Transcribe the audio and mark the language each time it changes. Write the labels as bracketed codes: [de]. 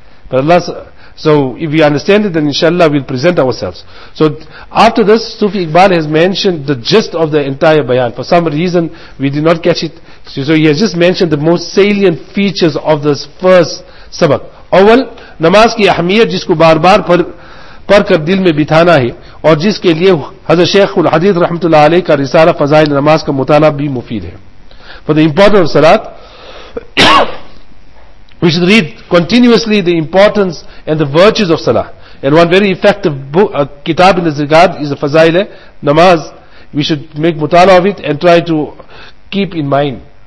[en] But Allah, so if we understand it, then inshallah we'll present ourselves. So after this, Sufi Iqbal has mentioned the gist of the entire bayan. For some reason, we did not catch it. So he has just mentioned the most salient features of this first sabak. [ur] اول نماز کی اہمیت جس کو بار بار پڑھ کر دل میں بٹھانا ہے اور جس کے لیے حضرت شیخ الحدیث رحمت اللہ علیہ کا رسالہ فضائل نماز کا مطالعہ بھی مفید ہے. [en] For the importance of salat, we should read continuously the importance and the virtues of salah. And one very effective book, kitab in this regard is the Fazail Namaz. We should make mutala of it and try to keep in mind.